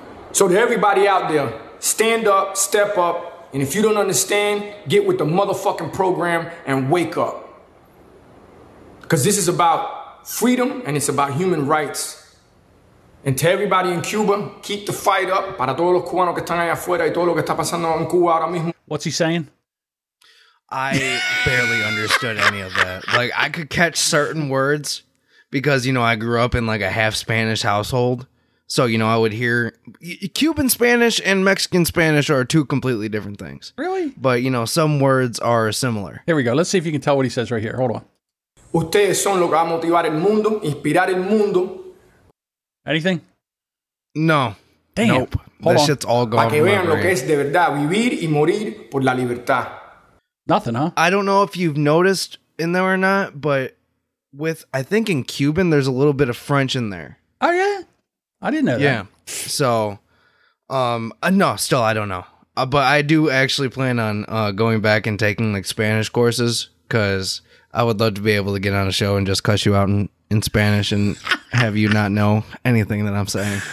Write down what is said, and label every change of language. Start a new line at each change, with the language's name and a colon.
English: So to everybody out there, stand up, step up. And if you don't understand, get with the motherfucking program and wake up. Because this is about freedom, and it's about human rights. And to everybody in Cuba, keep the fight up.
Spanish: Para todos los cubanos que están allá afuera y todo lo que está pasando en Cuba ahora mismo.
English: What's he saying? I barely understood any of that. Like, I could catch certain words because, you know, I grew up in like a half Spanish household. So, you know, I would hear Cuban Spanish and Mexican Spanish are two completely different things. Really? But, you know, some words are similar. Here we go. Let's see if you can tell what he says right here. Hold on.
Spanish: Ustedes son lo que va a motivar el mundo, inspirar el mundo.
English: Anything? No. Damn. Nope. Hold this on. Shit's all gone.
Spanish: Para que vean lo que es de verdad, vivir y morir por la libertad.
English: Nothing, huh? I don't know if you've noticed in there or not, but with, I think in Cuban, there's a little bit of French in there. Oh, yeah? I didn't know that. Yeah. So, no, still, I don't know. But I do actually plan on going back and taking like Spanish courses, because I would love to be able to get on a show and just cuss you out in Spanish and have you not know anything that I'm saying.